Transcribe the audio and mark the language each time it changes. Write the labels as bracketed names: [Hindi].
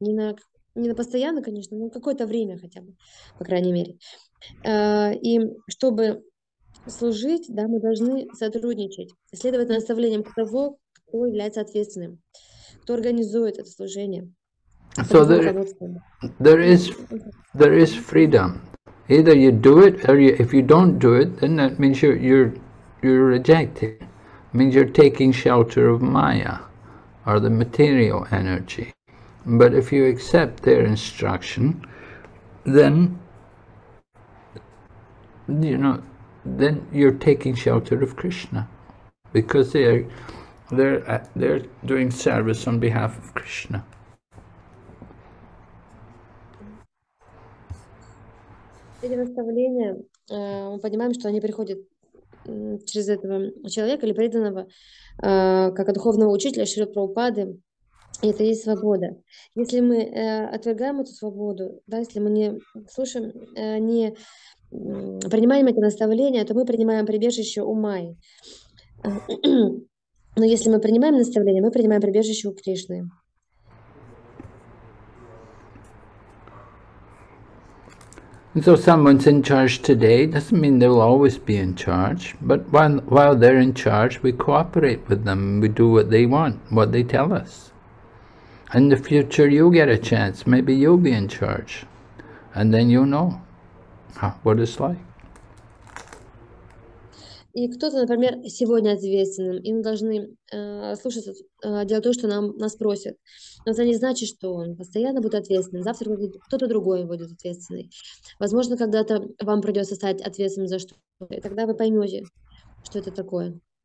[Russian] Не на постоянно, конечно, но какое-то время хотя бы, по крайней мере. И чтобы служить, да, мы должны сотрудничать, следовать наставлениям того, кто является ответственным, кто организует это служение. [English] So there is freedom. Either you do it, or if you don't do it, then that means you're rejected. It means you're taking shelter of Maya, or the material energy. But if you accept their instruction, then you know, then you're taking shelter of Krishna, because they're doing service on behalf of Krishna. [Russian] Эти наставления, мы понимаем, что они приходят через этого человека или преданного, как от духовного учителя Шри Прабхупады, и это и есть свобода. Если мы отвергаем эту свободу, да, если мы не слушаем, не принимаем эти наставления, то мы принимаем прибежище у Майи. Но если мы принимаем наставления, мы принимаем прибежище у Кришны. [English] So someone's in charge today doesn't mean they'll always be in charge, but while they're in charge, we cooperate with them, we do what they want, what they tell us. In the future, you'll get a chance, maybe you'll be in charge, and then you'll know what it's like. [Russian] И кто-то, например, сегодня ответственным, и мы должны слушаться, делать то, что нас просят. Но это не значит, что он постоянно будет ответственным. Завтра будет кто-то другой будет ответственный. Возможно, когда-то вам придется стать ответственным за что-то, и тогда вы поймете, что это такое.